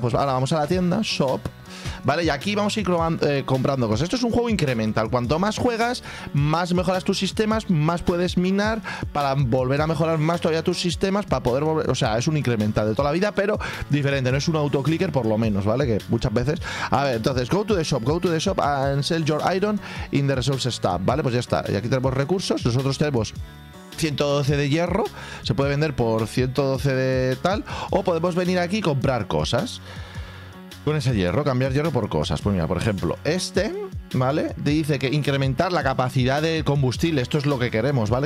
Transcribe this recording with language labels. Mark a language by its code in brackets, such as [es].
[es] Pues ahora vamos a la tienda, shop. Vale, y aquí vamos a ir comprando cosas. Esto es un juego incremental. Cuanto más juegas, más mejoras tus sistemas, más puedes minar para volver a mejorar más todavía tus sistemas, para poder volver. O sea, es un incremental de toda la vida, pero diferente. No es un autoclicker, por lo menos, ¿vale? Que muchas veces. A ver, entonces, [en] go to the shop and sell your iron in the resource stab. [es] Vale, pues ya está. Y aquí tenemos recursos. Nosotros tenemos 112 de hierro. Se puede vender por 112 de tal. O podemos venir aquí y comprar cosas. Con ese hierro, cambiar hierro por cosas. Pues mira, por ejemplo, este, ¿vale? Dice que incrementar la capacidad de combustible. Esto es lo que queremos, ¿vale?